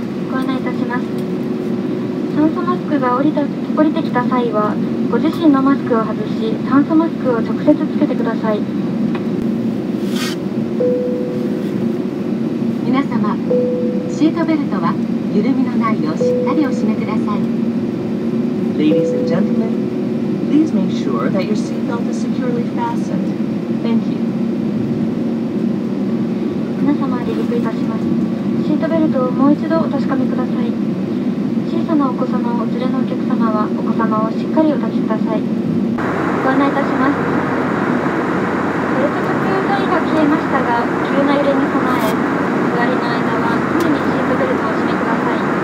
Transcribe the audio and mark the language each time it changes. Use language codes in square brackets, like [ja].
[ja] ご案内いたします。酸素マスクが降りてきた際はご自身のマスクを外し酸素マスクを直接つけてください。皆様、シートベルトは緩みのないようしっかりお締めください。 [en] Ladies and gentlemen, please make sure that your seatbelt is securely fastenedThank you. [ja] 皆様、離陸いたします。シートベルトをもう一度お確かめください。小さなお子様をお連れのお客様はお子様をしっかりお抱きください。ご案内いたします。ベルト着用帯が消えましたが急な揺れに備え座りの間は常にシートベルトを締めください。